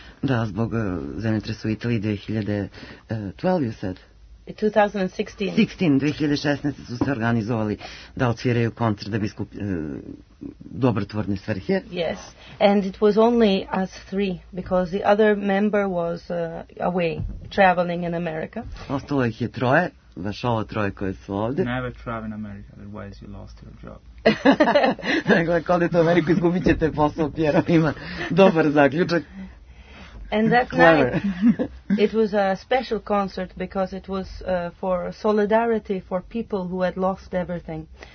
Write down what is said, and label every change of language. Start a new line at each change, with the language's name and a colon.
Serbian: Da, zbog zemljotresa u Italiji 2012,
English: you said?
Serbian: 2016. 2016. Su se organizovali da otviraju koncert da bi skupili dobrotvorne svrhe.
English: Yes, and it was only us three because the other member was away, traveling in America.
Serbian: Ostalo ih je troje, baš ovo troje koje su ovde.
English: Never travel in America, otherwise you lost your job.
Serbian: Dakle, kad odete u Ameriku, izgubit ćete posao, Piero ima dobar zaključak.
English: And that night, it was a special concert because it was for solidarity for people who had lost everything.